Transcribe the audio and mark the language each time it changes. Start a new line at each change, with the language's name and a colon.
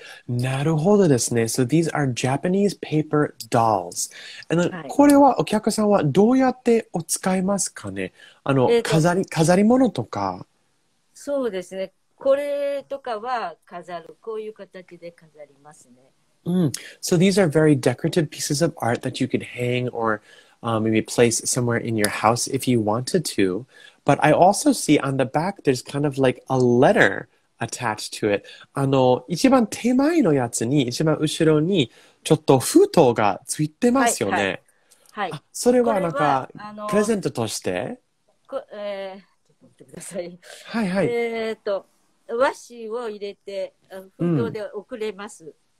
Japanese: なるほどですね。
English: So these are Japanese paper dolls.
Japanese: And、はい、これはお客さんはどうやってお使いますかね。あの、飾り物とか。そうですね。これとかは飾る。こういう形で飾りますね。 Mm.
English: So these are very decorative pieces of art that you could hang or、maybe place somewhere in your house if you wanted to. But I also see on the back there's kind of like a letter attached to it.
Japanese: あの一番手前のやつに一番後ろにちょっと封筒がついてますよね。はい、はいはい、あそれはなんかプレゼントとしてこ、ちょっと待ってください。はいはい、和紙を入れて封筒で送れます、うん。